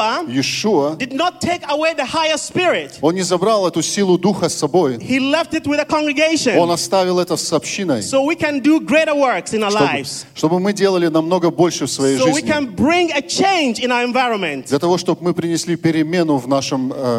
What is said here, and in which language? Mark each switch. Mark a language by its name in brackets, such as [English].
[English] Yeshua did not take away the higher spirit. [Russian] Он не забрал эту силу духа с собой. [English] He left it with a congregation. [Russian] Он оставил это с общиной. [English] So we can do greater works in our lives. [Russian] Чтобы мы делали намного больше в своей жизни. [English] So we can bring a change in our environment. [Russian] Для того, чтобы мы принесли перемену в нашем